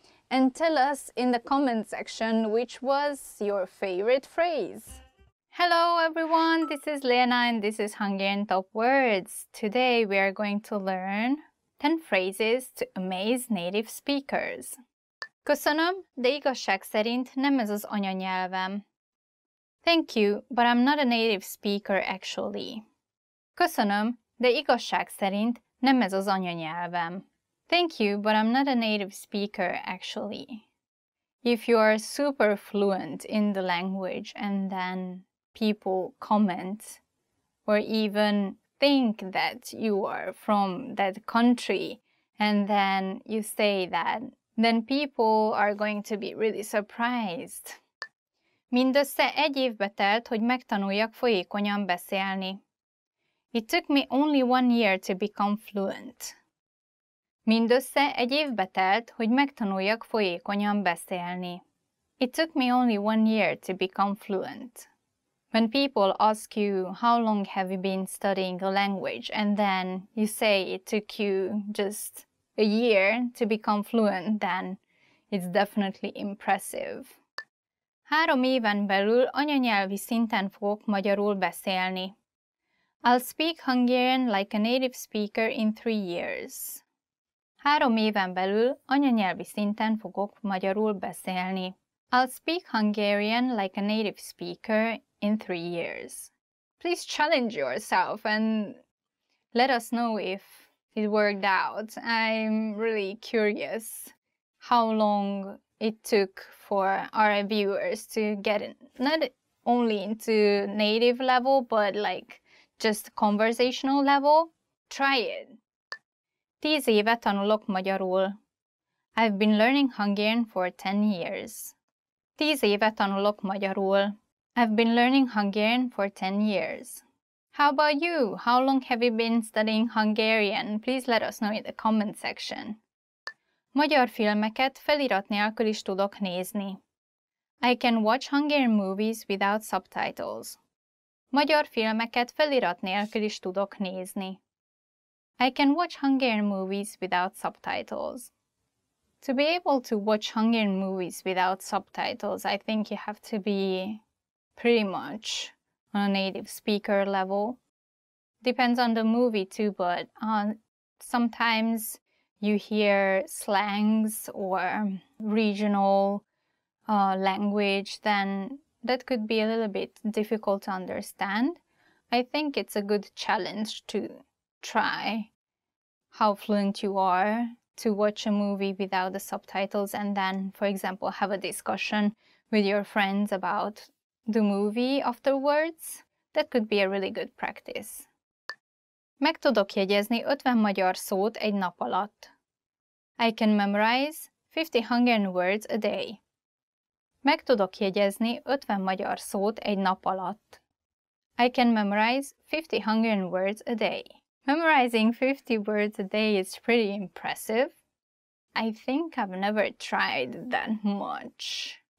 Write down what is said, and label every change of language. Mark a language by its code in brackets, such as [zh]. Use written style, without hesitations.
[en] And tell us in the comment section which was your favorite phrase. Hello everyone, this is Lena and this is Hungarian Top Words. Today we are going to learn 10 phrases to amaze native speakers. [hu] Köszönöm, de igazság szerint nem ez az anyanyelvem. [en] Thank you, but I'm not a native speaker actually. [hu] Köszönöm, de igazság szerint nem ez az anyanyelvem. [en] Thank you, but I'm not a native speaker actually. If you are super fluent in the language and then people comment or even think that you are from that country and then you say that, then people are going to be really surprised. [hu] Mindössze egy évbe telt, hogy megtanuljak folyékonyan beszélni. [en] It took me only 1 year to become fluent. [hu] Mindössze egy évbe telt, hogy megtanuljak folyékonyan beszélni. [en] It took me only 1 year to become fluent. When people ask you how long have you been studying a language and then you say it took you just a year to become fluent, then it's definitely impressive. [hu] 3 éven belül anyanyelvi szinten fogok magyarul beszélni. [en] I'll speak Hungarian like a native speaker in 3 years. [hu] 3 éven belül anyanyelvi szinten fogok magyarul beszélni. [en] I'll speak Hungarian like a native speaker in 3 years. Please challenge yourself and let us know if it worked out. I'm really curious how long it took for our viewers to get in, not only into native level, but like just conversational level. Try it. [hu] 10 éve tanulok magyarul. [en] I've been learning Hungarian for 10 years. [hu] 10 éve tanulok magyarul. [en] I've been learning Hungarian for 10 years. How about you? How long have you been studying Hungarian? Please let us know in the comment section. [hu] Magyar filmeket felirat nélkül is tudok nézni. [en] I can watch Hungarian movies without subtitles. [hu] Magyar filmeket felirat nélkül is tudok nézni. [en] I can watch Hungarian movies without subtitles. To be able to watch Hungarian movies without subtitles, I think you have to be pretty much on a native speaker level. Depends on the movie too, but sometimes you hear slangs or regional language, then that could be a little bit difficult to understand. I think it's a good challenge to try how fluent you are to watch a movie without the subtitles and then, for example, have a discussion with your friends about the movie afterwards. That could be a really good practice. [hu] Meg tudok jegyezni 50 magyar szót egy nap alatt. [en] I can memorize 50 Hungarian words a day. [hu] Meg tudok jegyezni 50 magyar szót egy nap alatt. [en] I can memorize 50 Hungarian words a day. Memorizing 50 words a day is pretty impressive. I think I've never tried that much.